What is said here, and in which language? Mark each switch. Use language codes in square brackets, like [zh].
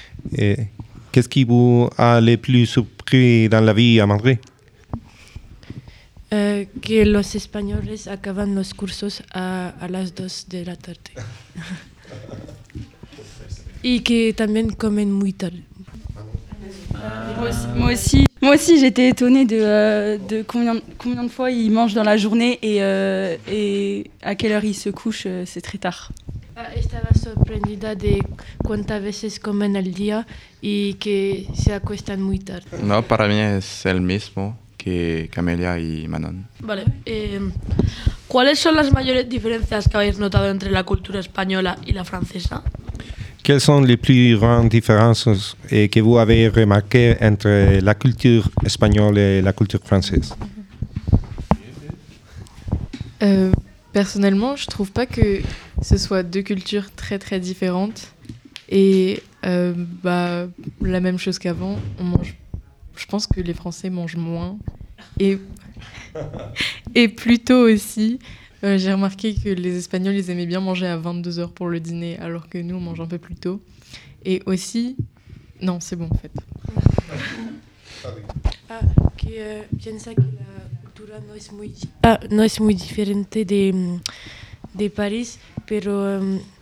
[fr] ¿Qu'est-ce qui vous a le plus surpris dans la vie à Madrid? [es] Que los españoles acaban los cursos a las 2 de la tarde. Y que también comen muy tarde. [fr] Moi aussi j'étais étonnée de combien de fois ils mangent dans la journée et à quelle heure ils se couchent, c'est très tard. [es] Estaba sorprendida de cuántas veces comen al día y que se acuestan muy tarde. No, para mí es el mismo. Y Camelia y Manon. Vale. ¿Cuáles son las mayores diferencias que habéis notado entre la cultura española y la francesa? ¿Cuáles son las más grandes diferencias que [fr] vous avez remarqué [es] entre la cultura española y la cultura francesa? [fr] Personalmente, je trouve pas que ce soit deux cultures très très différentes et la même chose qu'avant, on mange. Je pense que les Français mangent moins et plus tôt aussi. J'ai remarqué que les Espagnols, ils aimaient bien manger à 22h pour le dîner, alors que nous, on mange un peu plus tôt. Et aussi... Non, c'est bon, en fait. [es] Que la cultura no es muy diferente de París, pero...